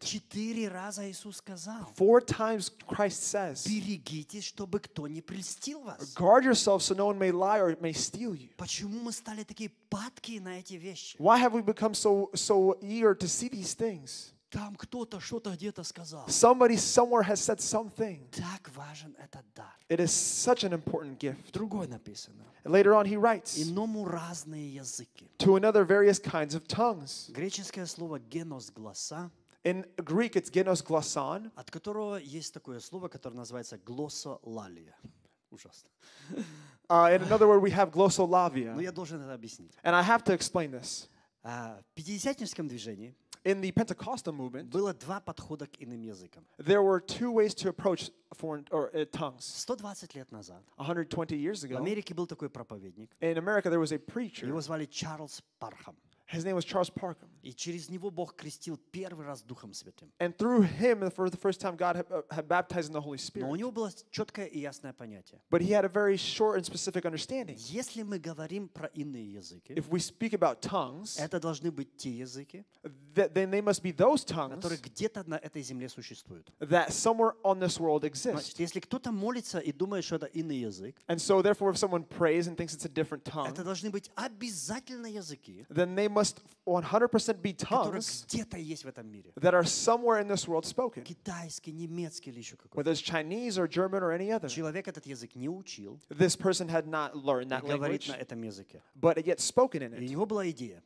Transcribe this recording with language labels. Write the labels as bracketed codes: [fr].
[ru] Четыре раза Иисус сказал. [en] Four times Christ says. [ru] Берегитесь, чтобы кто не прельстил вас. [en] Guard yourself so no one may lie or may steal you. [ru] Почему мы стали такие падки на эти вещи? [en] Why have we become so eager to see these things? [ru] Там кто-то что-то где-то сказал. [en] Somebody somewhere has said something. [ru] Так важен этот дар. [en] It is such an important gift. [ru] Другое написано. [en] Later on he writes. [ru] Иному разные языки. [en] To another various kinds of tongues. [ru] Греческое слово генос глоса. [en] In Greek it's генос глосан. [ru] От которого есть такое слово, которое называется глосолалия. Ужасно. [en] In another word we have глосолавия. [ru] Но я должен это объяснить. [en] And I have to explain this. [ru] В пятидесятническом движении. [en] In the Pentecostal movement, [ru] было два подхода к иным языкам. [en] There were two ways to approach foreign or tongues. [ru] 120 лет назад. [en] 120 years ago. [ru] В Америке был такой проповедник. [en] In America there was a preacher. [ru] Его звали Чарльз Пархам. [en] His name was Charles Parham. [ru] И через него Бог крестил первый раз Духом Святым. [en] And through him, for the first time, God had baptized in the Holy Spirit. [ru] Но у него было четкое и ясное понятие. [en] But he had a very short and specific understanding. [ru] Если мы говорим про иные языки, [en] if we speak about tongues, [ru] это должны быть те языки, [en] then they must be those tongues, [ru] которые где-то на этой земле существуют. [en] That somewhere on this world exist. [ru] Значит, если кто-то молится и думает, что это иный язык, [en] and so therefore, if someone prays and thinks it's a different tongue, [ru] это должны быть обязательно языки, [en] then they must 100% be tongues that are somewhere in this world spoken. Whether it's Chinese or German or any other. This person had not learned that language, but yet spoken in it.